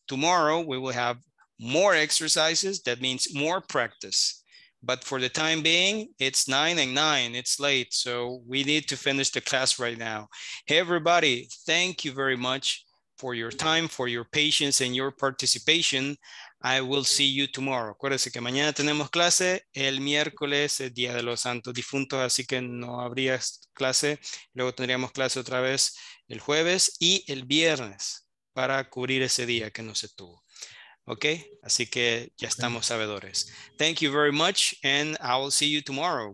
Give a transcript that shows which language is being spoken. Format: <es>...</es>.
<en>Tomorrow we will have more exercises, that means more practice. But for the time being, it's 9:09, it's late. So we need to finish the class right now. Hey everybody, thank you very much for your time, for your patience and your participation. I will see you tomorrow.</en> <es>Acuérdense que mañana tenemos clase, el miércoles es Día de los Santos Difuntos, así que no habría clase. Luego tendríamos clase otra vez el jueves y el viernes para cubrir ese día que no se tuvo. Okay, así que ya estamos sabedores.</es> <en>Thank you very much, and I will see you tomorrow.</en>